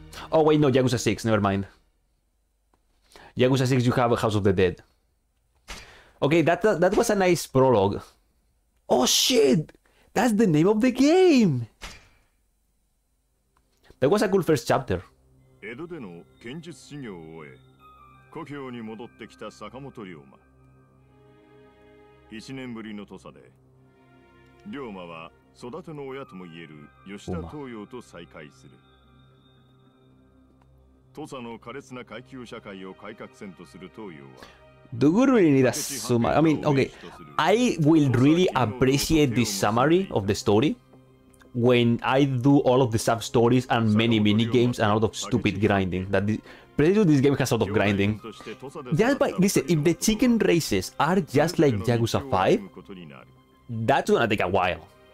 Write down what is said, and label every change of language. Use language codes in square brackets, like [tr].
[en] Oh wait, no, Yakuza 6. Never mind. Yakuza 6, you have a House of the Dead. Okay, that was a nice prologue. Oh shit, that's the name of the game. That was a cool first chapter. [ja] 江戸での剣術修行を終え、故郷に戻ってきた坂本龍馬。 1年ぶりの土佐で、龍馬は育ての親ともいえる吉田東洋と再会する。土佐の苛烈な階級社会を改革せんとする東洋は、 [en] Do we really need a summary? I mean, okay. I will really appreciate this summary of the story when I do all of the sub stories and many mini games and a lot of stupid grinding. That this game has a lot of grinding. Just by listen, if the chicken races are just like Yakuza 5, that's gonna take a while.